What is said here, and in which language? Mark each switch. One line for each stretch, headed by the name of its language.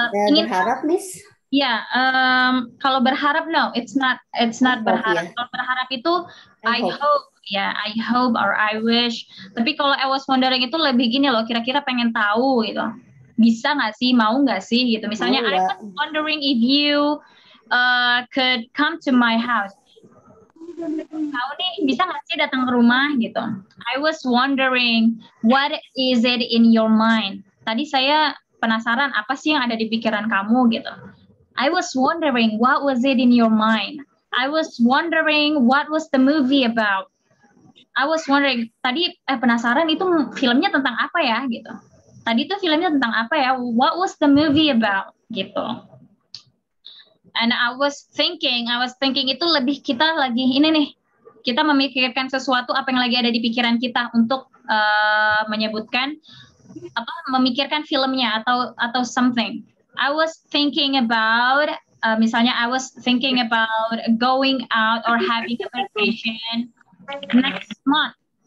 Indonesian: Ingin berharap, Miss? Ya, kalau berharap,
English: no, it's not
Indonesian: berharap. Ya. Kalau berharap itu
English: I hope.
Indonesian: Ya,
English: yeah, I hope or I wish.
Indonesian: Tapi kalau
English: I was wondering
Indonesian: itu lebih gini loh, kira-kira pengen tahu gitu. Bisa nggak sih, mau nggak sih gitu. Misalnya,
English: I was wondering if you could come to my house.
Indonesian: Tahu nih, bisa nggak sih datang ke rumah gitu?
English: I was wondering what is it in your mind.
Indonesian: Tadi saya penasaran apa sih yang ada di pikiran kamu gitu.
English: I was wondering what was it in your mind. I was wondering what was the movie about. I was wondering
Indonesian: tadi penasaran itu filmnya tentang apa ya gitu. Tadi itu filmnya tentang apa ya?
English: What was the movie about
Indonesian: gitu.
English: And I was thinking
Indonesian: itu lebih kita lagi ini nih. Kita memikirkan sesuatu apa yang lagi ada di pikiran kita untuk menyebutkan apa memikirkan filmnya atau something.
English: I was thinking about
Indonesian: misalnya
English: I was thinking about going out or having a vacation next month.